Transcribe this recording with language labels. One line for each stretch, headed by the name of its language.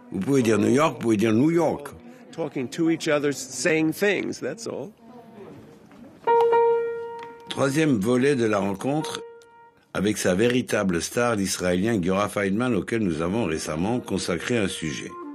French: Vous pouvez dire New York, vous pouvez dire New York.
English: Talking to each other, saying things, that's all.
French: Troisième volet de la rencontre avec sa véritable star, l'Israélien Gyora Feynman, auquel nous avons récemment consacré un sujet.